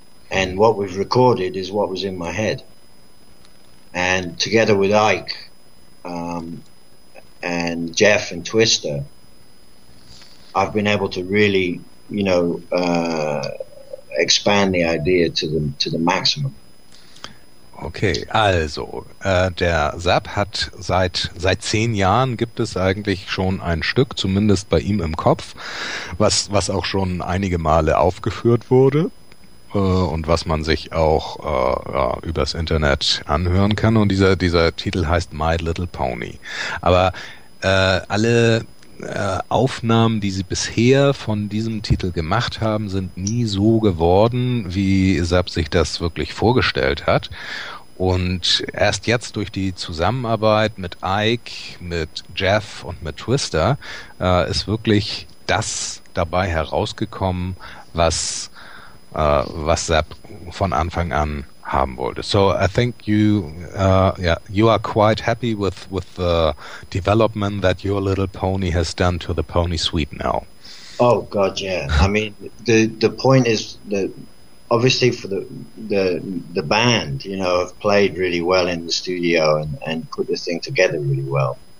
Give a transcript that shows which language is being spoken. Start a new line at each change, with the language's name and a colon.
English: And what we've recorded is what was in my head. And together with Ike and Jeff and Twister, I've been able to really, you know, expand the idea to the maximum.
German: Okay, also, der Sapp hat seit 10 Jahren gibt es eigentlich schon ein Stück, zumindest bei ihm im Kopf, was auch schon einige Male aufgeführt wurde und was man sich auch übers Internet anhören kann. Und dieser Titel heißt My Little Pony. Aber alle Aufnahmen, die sie bisher von diesem Titel gemacht haben, sind nie so geworden, wie Sapp sich das wirklich vorgestellt hat. Und erst jetzt durch die Zusammenarbeit mit Ike, mit Jeff und mit Twister ist wirklich das dabei herausgekommen, was Sapp von Anfang an haben wollte.
English: So I think you are quite happy with the development that Your Little Pony has done to the Pony Suite now. Oh God, yeah. I mean, the point is that obviously for the band, you know, have played really well in the studio and put the thing together really well.